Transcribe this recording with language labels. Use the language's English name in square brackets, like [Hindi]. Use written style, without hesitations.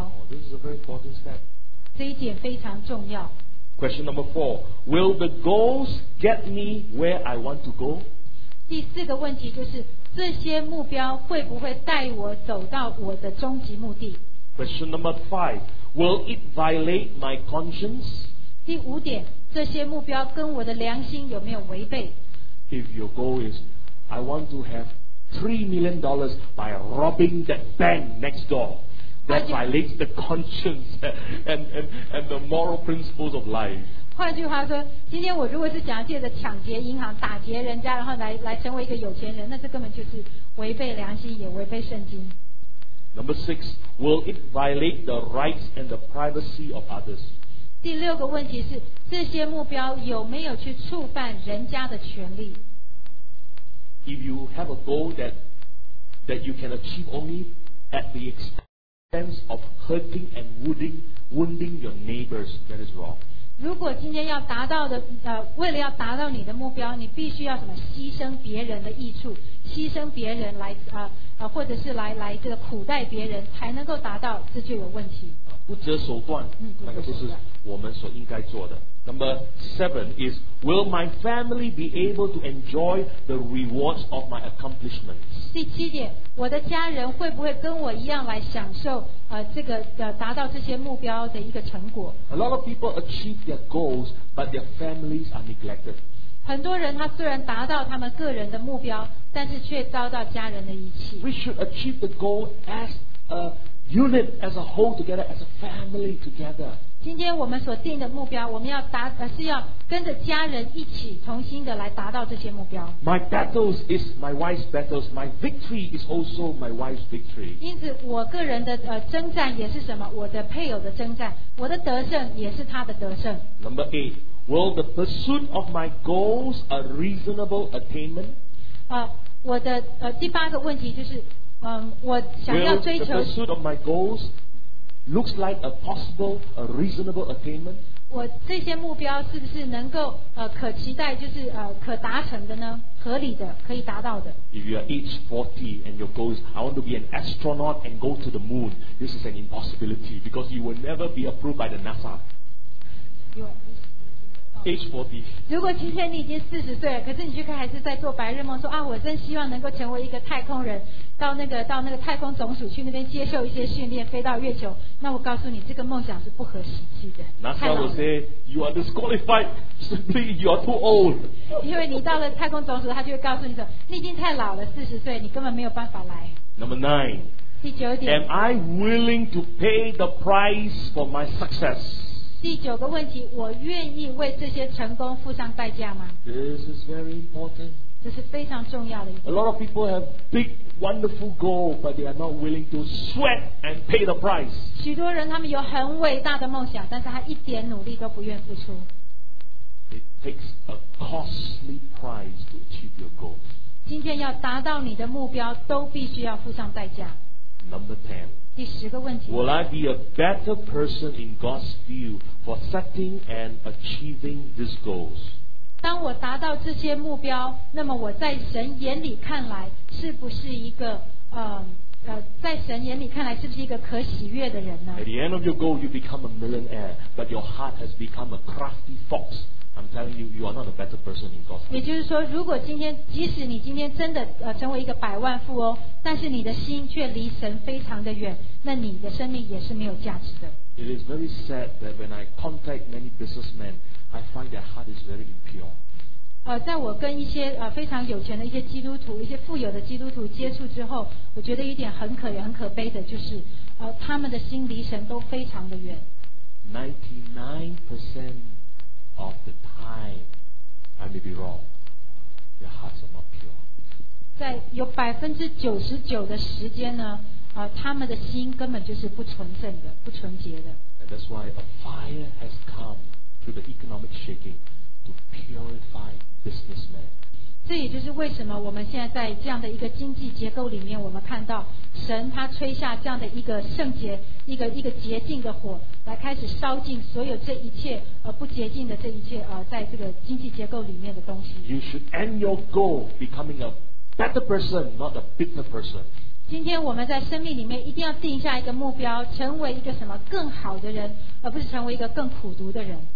[English] Oh, this is a very important step. [Chinese] 这一点非常重要。 [English] Question number four. Will the goals get me where I want to go? [Chinese] 第四个问题就是这些目标会不会带我走到我的终极目的？ [English] Question number five. Will it violate my conscience? [Chinese] 第五点，这些目标跟我的良心有没有违背？ [English] If your goal is, I want to have $3 million by robbing that bank next door, that violates the conscience and the moral principles of life. [Chinese] 换句话说，今天我如果是想要借着抢劫银行、打劫人家，然后来成为一个有钱人，那这根本就是违背良心，也违背圣经。 [English] Number six, will it violate the rights and the privacy of others? [Chinese] 第六个问题是，这些目标有没有去触犯人家的权利？ [English] If you have a goal that you can achieve only at the expense of hurting and wounding your neighbors, that is wrong. [Chinese] 如果今天要达到的为了要达到你的目标，你必须要什么牺牲别人的益处，牺牲别人来或者是来这个苦待别人才能够达到，这就有问题。不择手段，那个就是我们所应该做的。 [English] Number seven is, will my family be able to enjoy the rewards of my accomplishments? [Chinese] 第七点，我的家人会不会跟我一样来享受达到这些目标的一个成果？ [English] A lot of people achieve their goals, but their families are neglected. [Chinese] 很多人他虽然达到他们个人的目标，但是却遭到家人的遗弃。 [English] We should achieve the goal as a unit, as a whole together, as a family together. [Chinese] 今天我们所定的目标，我们要是要跟着家人一起重新的来达到这些目标。 [English] My battles is my wife's battles. My victory is also my wife's victory. [Chinese] 因此，我个人的征战也是什么？我的配偶的征战，我的得胜也是他的得胜。 [English] Number eight, will the pursuit of my goals a reasonable attainment? [Chinese] 我的第八个问题就是，我想要追求。 [English] Will the pursuit of my goals? Looks like a possible, a reasonable attainment. [Chinese] 我这些目标是不是能够可期待，就是可达成的呢？合理的，可以达到的。 [English] If you are age 40 and your goal is I want to be an astronaut and go to the moon, this is an impossibility because you will never be approved by the NASA. Age 40. [Chinese] 如果今天你已经40岁了，可是你却还是在做白日梦，说啊，我真希望能够成为一个太空人。到那个太空总署去那边接受一些训练，飞到月球。那我告诉你，这个梦想是不合实际的。 [English] NASA will say you are disqualified, simply you are too old. [Chinese] 因为你到了太空总署，他就会告诉你说，你已经太老了，四十岁，你根本没有办法来。 [English] Number nine. [Chinese] 第九点。 [English] Am I willing to pay the price for my success? [Chinese] 第九个问题，我愿意为这些成功付上代价吗 [English] ？This is very important. [Chinese] 这是非常重要的一点。 [English] A lot of people have big, wonderful goals, but they are not willing to sweat and pay the price. [Chinese] 许多人他们有很伟大的梦想，但是他一点努力都不愿付出。 [English] It takes a costly price to achieve your goals. [Chinese] 今天要达到你的目标，都必须要付上代价。 [English] Number ten. [Chinese] 第十个问题。 [English] Will I be a better person in God's view for setting and achieving these goals? [Chinese] 当我达到这些目标，那么我在神眼里看来是不是一个在神眼里看来是不是一个可喜悦的人呢 [English] ？At the end of your goal, you become a millionaire, but your heart has become a crafty fox. I'm telling you, you are not a better person in God's eyes. [Chinese] 也就是说，如果今天即使你今天真的成为一个百万富翁，但是你的心却离神非常的远，那你的生命也是没有价值的。 [English] It is very sad that when I contact many businessmen. I find their heart is very impure. [Chinese] 在我跟一些非常有钱的一些基督徒，一些富有的基督徒接触之后，我觉得一点很可悲的，就是他们的心离神都非常的远。 [English] 99% of the time, I may be wrong. Their hearts are not pure. [Chinese] 在有99%的时间呢，他们的心根本就是不纯正的，不纯洁的。 [English] And that's why a fire has come. Through the economic shaking to purify businessmen. [Chinese] 这也就是为什么我们现在在这样的一个经济结构里面，我们看到神他吹下这样的一个圣洁、一个洁净的火，来开始烧尽所有这一切不洁净的这一切在这个经济结构里面的东西。 [English] You should end your goal becoming a better person, not a bitter person. [Chinese] 今天我们在生命里面一定要定下一个目标，成为一个什么更好的人，而不是成为一个更苦读的人。